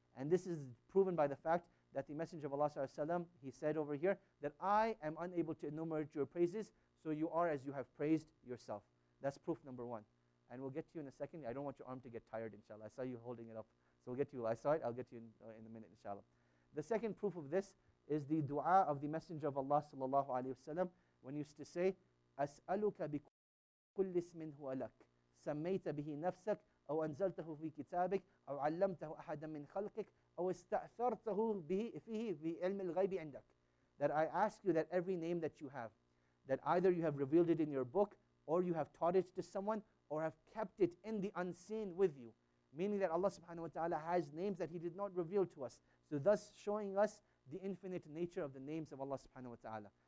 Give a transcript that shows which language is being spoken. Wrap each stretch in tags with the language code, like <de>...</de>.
<en>And this is proven by the fact that the Messenger of Allah sallallahu alayhi wa sallam, he said over here that I am unable to enumerate your praises, so you are as you have praised yourself. That's proof number one. And we'll get to you in a second. I don't want your arm to get tired, inshallah. I saw you holding it up. So we'll get to you. I saw it. I'll get to you in a minute, inshallah. The second proof of this is the dua of the Messenger of Allah sallallahu alayhi wa sallam, when he used to say,</en> <ar>أسألك بكل اسم هو لك سميت به نفسك أو أنزلته في كتابك أو علمته أحدا من خلقك أو استأثرته به فيه في علم الغيب عندك.</ar> <en>That I ask you that every name that you have, that either you have revealed it in your book, or you have taught it to someone, or have kept it in the unseen with you, meaning that Allah subhanahu wa ta'ala has names that He did not reveal to us, so thus showing us the infinite nature of the names of Allah subhanahu wa ta'ala.</en>